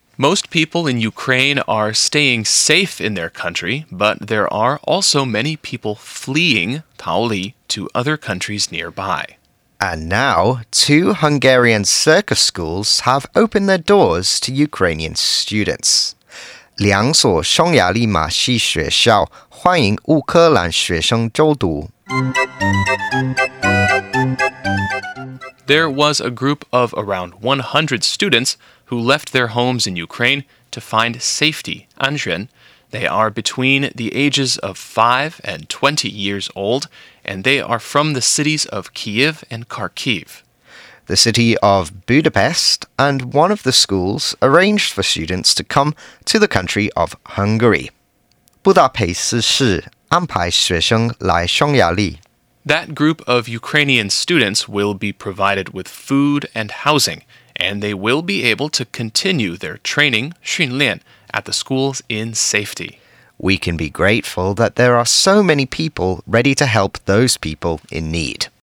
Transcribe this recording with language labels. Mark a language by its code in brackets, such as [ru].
[en] Most people in Ukraine are staying safe in their country, but there are also many people fleeing, 逃离, to other countries nearby. And now, two Hungarian circus schools have opened their doors to Ukrainian students. [zh] 两所匈牙利马戏学校欢迎乌克兰学生就读。 [en] There was a group of around 100 students who left their homes in Ukraine to find safety, 安全. They are between the ages of 5 and 20 years old, and they are from the cities of Kyiv and Kharkiv. The city of Budapest and one of the schools arranged for students to come to the country of Hungary. [zh] 布达佩斯市安排学生来匈牙利。 [en] That group of Ukrainian students will be provided with food and housing, and they will be able to continue their training, 训练, at the schools in safety. We can be grateful that there are so many people ready to help those people in need.